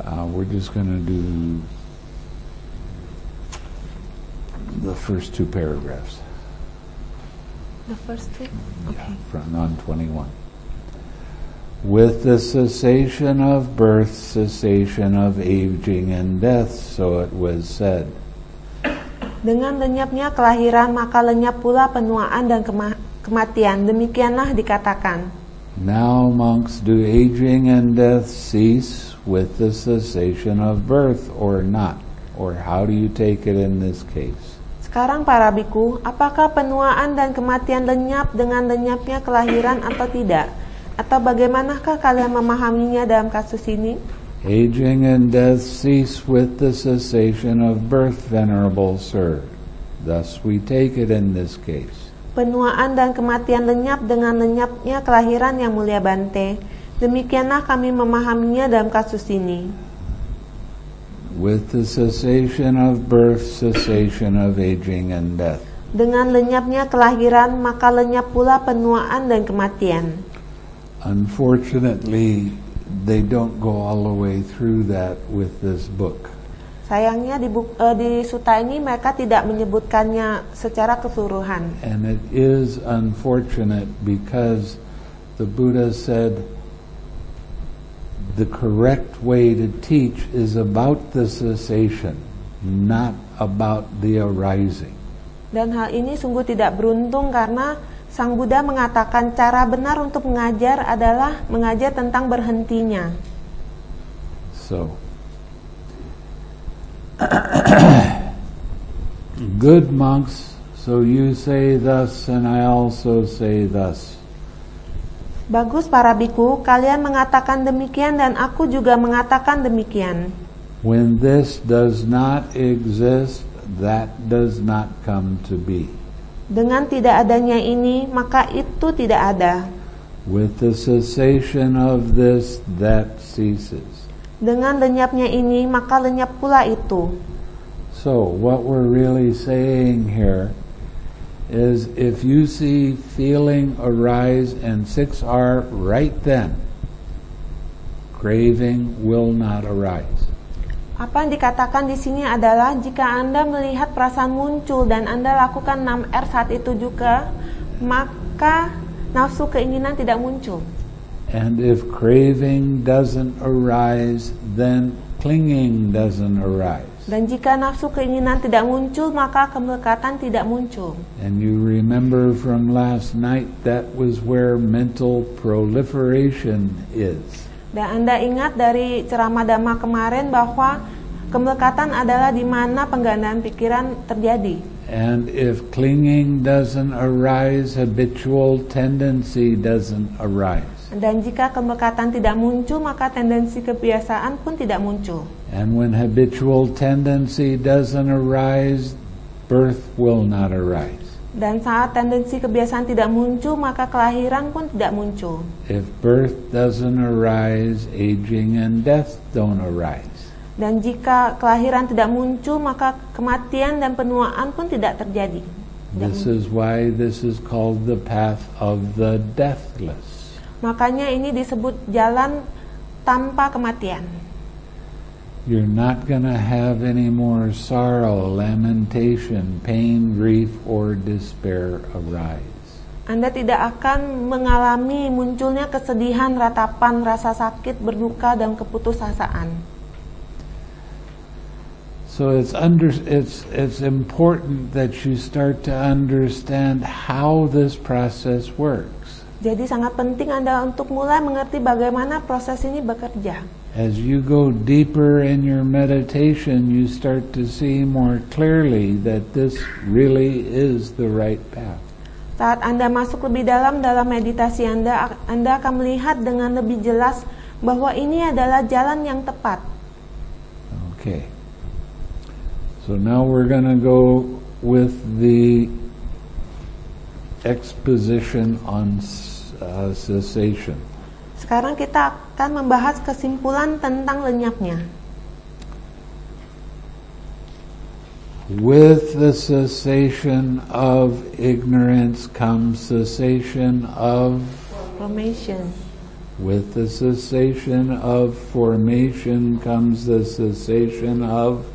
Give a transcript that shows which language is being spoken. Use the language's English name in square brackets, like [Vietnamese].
[English] We're just going to do the first two paragraphs. The first two? Yeah, front on 21. With the cessation of birth, cessation of aging and death, so it was said. [Indonesian] Dengan lenyapnya kelahiran, maka lenyap pula penuaan dan kematian. Demikianlah dikatakan. [English] Now, monks, do aging and death cease with the cessation of birth or not? Or how do you take it in this case? [Indonesian] Sekarang para bhikkhu, apakah penuaan dan kematian lenyap dengan lenyapnya kelahiran atau tidak? Atau bagaimanakah kalian memahaminya dalam kasus ini? [English] Aging and death cease with the cessation of birth, venerable sir. Thus we take it in this case. [Indonesian] Penuaan dan kematian lenyap dengan lenyapnya kelahiran, yang mulia Bante. Demikianlah kami memahaminya dalam kasus ini. [English] With the cessation of birth, cessation of aging and death. [Indonesian] Dengan lenyapnya kelahiran, maka lenyap pula penuaan dan kematian. [English] Unfortunately, they don't go all the way through that with this book. [Indonesian] Sayangnya di sutta ini mereka tidak menyebutkannya secara keseluruhan. [English] And it is unfortunate because the Buddha said the correct way to teach is about the cessation, not about the arising. [Indonesian] Dan hal ini sungguh tidak beruntung karena Sang Buddha mengatakan cara benar untuk mengajar adalah mengajar tentang berhentinya. [English] So, good monks, so you say thus and I also say thus. [Indonesian] Bagus para bhikkhu, kalian mengatakan demikian dan aku juga mengatakan demikian. [English] When this does not exist, that does not come to be. [Indonesian] Dengan tidak adanya ini, maka itu tidak ada. [English] With the cessation of this, that ceases. [Indonesian] Dengan lenyapnya ini, maka lenyap pula itu. [English] So, what we're really saying here is if you see feeling arise and 6R right then, craving will not arise. [Indonesian] Apa yang dikatakan di sini adalah jika Anda melihat perasaan muncul dan Anda lakukan 6R saat itu juga, maka nafsu keinginan tidak muncul. [English] And if craving doesn't arise, then clinging doesn't arise. [Indonesian] Dan jika nafsu keinginan tidak muncul, maka kemelekatan tidak muncul. [English] And you remember from last night, that was where mental proliferation is. [Indonesian] Dan Anda ingat dari ceramah Dhamma kemarin bahwa kemelekatan adalah di mana penggandaan pikiran terjadi. [English] And if clinging doesn't arise, habitual tendency doesn't arise. [Indonesian] Dan jika kemelekatan tidak muncul, maka tendensi kebiasaan pun tidak muncul. [English] And when habitual tendency doesn't arise, birth will not arise. [Indonesian] Dan saat tendensi kebiasaan tidak muncul, maka kelahiran pun tidak muncul. [English] If birth doesn't arise, aging and death don't arise. [Indonesian] Dan jika kelahiran tidak muncul, maka kematian dan penuaan pun tidak terjadi. [English] This is why this is called the path of the deathless. [Indonesian] Makanya ini disebut jalan tanpa kematian. [English] You're not gonna have any more sorrow, lamentation, pain, grief, or despair arise. [Indonesian] Anda tidak akan mengalami munculnya kesedihan, ratapan, rasa sakit, berduka, dan keputusasaan. [English] So it's important that you start to understand how this process works. [Indonesian] Jadi sangat penting Anda untuk mulai mengerti bagaimana proses ini bekerja. [English] As you go deeper in your meditation, you start to see more clearly that this really is the right path. [Indonesian] Saat Anda masuk lebih dalam meditasi Anda, Anda akan melihat dengan lebih jelas bahwa ini adalah jalan yang tepat. [English] Okay. So now we're going to go with the exposition on cessation. [Indonesian] Sekarang kita akan membahas kesimpulan tentang lenyapnya. [English] With the cessation of ignorance comes cessation of formation. With the cessation of formation comes the cessation of